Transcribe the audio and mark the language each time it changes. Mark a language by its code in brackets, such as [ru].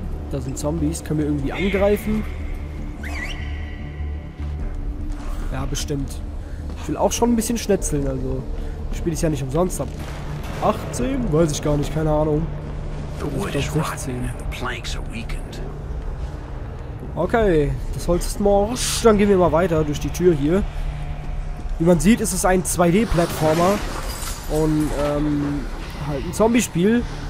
[de] Da sind Zombies. Können wir irgendwie angreifen? Ja, bestimmt. Ich will auch schon ein bisschen schnetzeln, also spiele ich ja nicht umsonst ab. 18? Weiß ich gar nicht, keine Ahnung. [en] The wood is rotten and the planks are weakened. [de] Okay, das Holz ist morsch. Dann gehen wir mal weiter durch die Tür hier. Wie man sieht, ist es ein 2D-Plattformer und halt ein Zombie-Spiel.